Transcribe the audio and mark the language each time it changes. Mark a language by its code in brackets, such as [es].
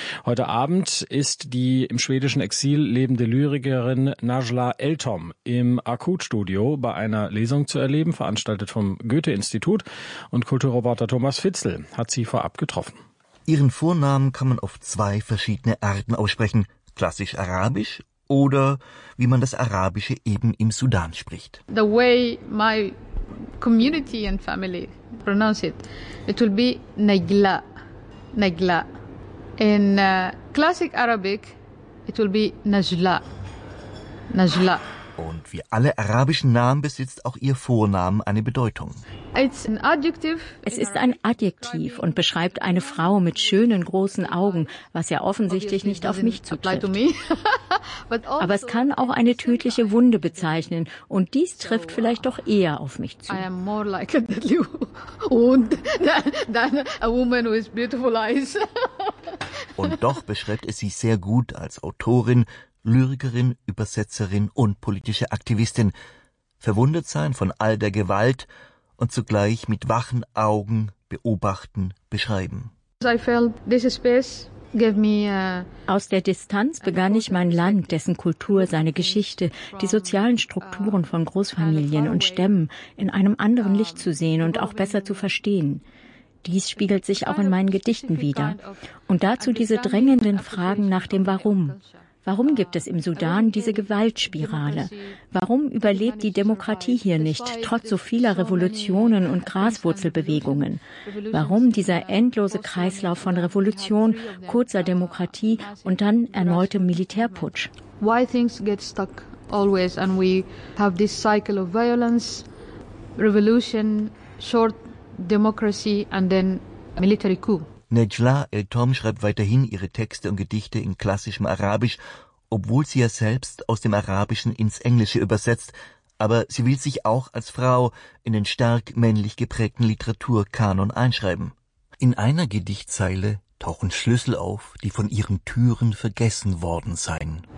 [de] Heute Abend ist die im schwedischen Exil lebende Lyrikerin Najla Eltom im Akutstudio bei einer Lesung zu erleben, veranstaltet vom Goethe-Institut. Und Kulturreporter Thomas Fitzel hat sie vorab getroffen. Ihren Vornamen kann man auf 2 verschiedene Arten aussprechen. Klassisch Arabisch oder wie man das Arabische eben im Sudan spricht. [en] The way my community and family pronounce it, it will be Najla, Najla. In classic Arabic, it will be Najla, Najla. [de] Und wie alle arabischen Namen besitzt auch ihr Vornamen eine Bedeutung. Es ist ein Adjektiv und beschreibt eine Frau mit schönen großen Augen, was ja offensichtlich nicht auf mich zutrifft. Aber es kann auch eine tödliche Wunde bezeichnen, und dies trifft vielleicht doch eher auf mich zu. [en] I am more like a deadly wound than a woman with beautiful eyes. [de] Und doch beschreibt es sie sehr gut als Autorin, Lyrikerin, Übersetzerin und politische Aktivistin. Verwundert sein von all der Gewalt und zugleich mit wachen Augen beobachten, beschreiben. [en] I felt this space gave me [de] aus der Distanz begann ich, mein Land, dessen Kultur, seine Geschichte, die sozialen Strukturen von Großfamilien und Stämmen in einem anderen Licht zu sehen und auch besser zu verstehen. Dies spiegelt sich auch in meinen Gedichten wider. Und dazu diese drängenden Fragen nach dem Warum. Warum gibt es im Sudan diese Gewaltspirale? Warum überlebt die Demokratie hier nicht, trotz so vieler Revolutionen und Graswurzelbewegungen? Warum dieser endlose Kreislauf von Revolution, kurzer Demokratie und dann erneutem Militärputsch? [en] Why things get stuck always and we have this cycle of violence, revolution, short democracy and then military coup. [de] Najla Eltom schreibt weiterhin ihre Texte und Gedichte in klassischem Arabisch, obwohl sie ja selbst aus dem Arabischen ins Englische übersetzt, aber sie will sich auch als Frau in den stark männlich geprägten Literaturkanon einschreiben. In einer Gedichtzeile tauchen Schlüssel auf, die von ihren Türen vergessen worden seien.